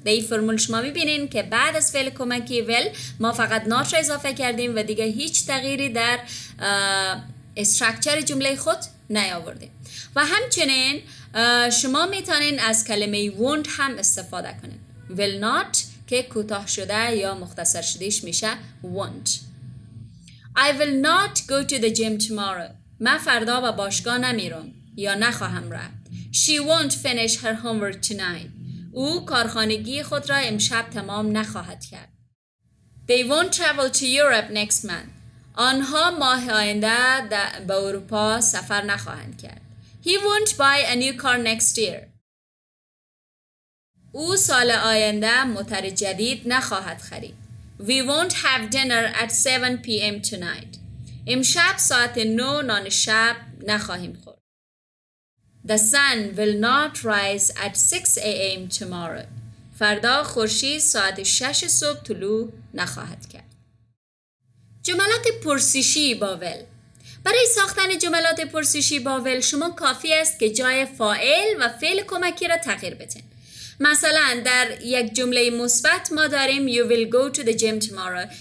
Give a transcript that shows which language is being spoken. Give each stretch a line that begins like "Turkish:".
Persian: در ای فرمول شما میبینین که بعد از فعل کمکی ویل ما فقط not را اضافه کردیم و دیگه هیچ تغییری در استرکچر جمله خود نیاوردیم. و همچنین شما میتونین از کلمه won't هم استفاده کنین. will not که کوتاه شده یا مختصر شدهش میشه won't.
English: I will not go to the gym tomorrow.
Persian: من فردا با باشگاه نمیرم یا نخواهم رفت.
English: She won't finish her homework tonight.
Persian: او کارخانگی خود را امشب تمام نخواهد کرد.
English: They won't travel to Europe next month.
Persian: آنها ماه آینده به اروپا سفر نخواهند کرد.
English: He won't buy a new car next year.
Persian: او سال آینده موتر جدید نخواهد خرید.
English: We won't have dinner at 7 p.m. tonight.
Persian: امشب ساعت 9 نان شب نخواهیم خورد.
English: The sun will not rise at 6 a.m. tomorrow.
Persian: فردا خورشید ساعت 6 صبح طلوع نخواهد کرد. جملات پرسشی با ول. برای ساختن جملات پرسشی با ول شما کافی است که جای فاعل و فعل کمکی را تغییر بدین. مثلا در یک جمله مثبت ما داریم
English: You will go to the gym tomorrow.